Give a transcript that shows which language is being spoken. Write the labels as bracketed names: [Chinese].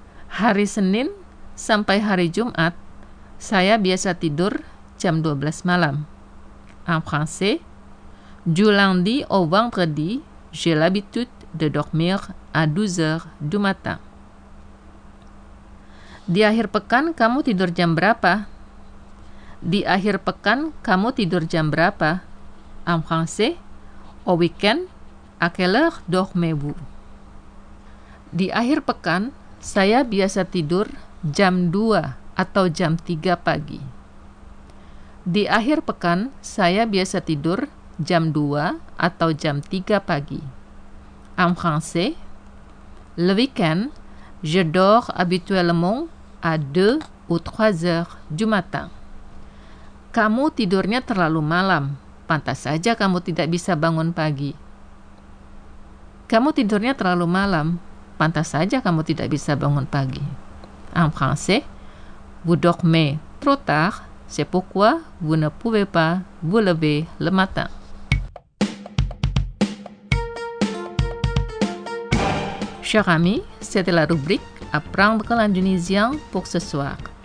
[Indonesian] Hari Senin sampai hari Jumat, saya biasa tidur jam 12 malam. [French] En français, du lundi au vendredi, j'ai l'habitude de dormir à 12 heures du matin. [Indonesian] Di akhir pekan, kamu tidur jam berapa? Di akhir pekan, kamu tidur jam berapa? [French] En français, au weekend, à quelle heure dormez-vous? [Indonesian] Di akhir pekan, saya biasa tidur jam 2 atau jam 3 pagi. Di akhir pekan, saya biasa tidur jam 2 atau jam 3 pagi. [French] En français, Le week-end, je dors habituellement à 2 ou 3 heures du matin. [Indonesian] Kamu tidurnya terlalu malam. Pantas saja kamu tidak bisa bangun pagi. Kamu tidurnya terlalu malam. Pantas saja kamu tidak bisa bangun pagi. [French] En français, vous dormez trop tard, c'est pourquoi vous ne pouvez pas vous lever le matin. Cher ami, c'était la rubrique Apprendre l'indonésien pour ce soir.